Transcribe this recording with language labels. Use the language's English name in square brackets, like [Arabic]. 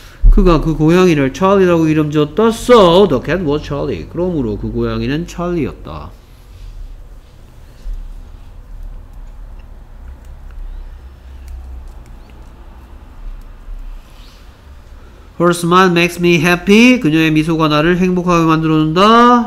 [Korean] 그가 그 고양이를 Charlie라고 이름 지었다. [English] So the cat was Charlie. [Korean] 그러므로 그 고양이는 Charlie였다. [English] Her smile makes me happy. [Korean] 그녀의 미소가 나를 행복하게 만들어준다.